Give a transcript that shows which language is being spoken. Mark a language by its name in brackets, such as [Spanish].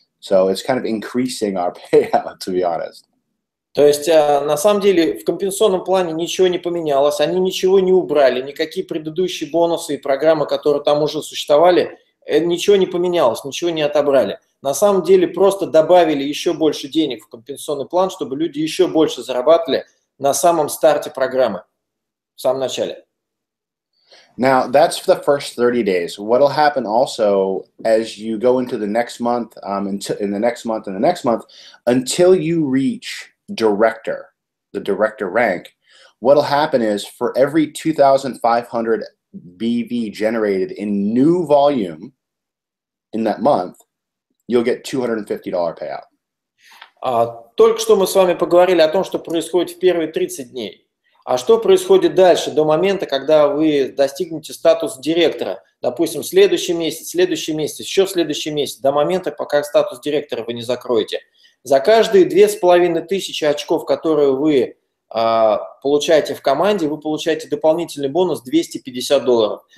[English] So it's kind of increasing our payout, to be honest. [Russian] То есть, на самом деле, в компенсационном плане ничего не поменялось, они ничего не убрали, никакие предыдущие бонусы и программы, которые там уже существовали, ничего не поменялось, ничего не отобрали. На самом деле, просто добавили еще больше денег в компенсационный план, чтобы люди еще больше зарабатывали на самом старте программы, в самом начале. [English] Now, that's for the first 30 days. What'll happen also, as you go into the next month, and the next month, until you reach director, the director rank, what'll happen is, for every 2,500 BV generated in new volume in that month, you'll get $250 payout. [Russian] Только что мы с вами поговорили о том, что происходит в первые 30 дней. А что происходит дальше, до момента, когда вы достигнете статус директора? Допустим, следующий месяц, до момента, пока статус директора вы не закроете. За каждые 2500 очков, которые вы получаете в команде, вы получаете дополнительный бонус $250.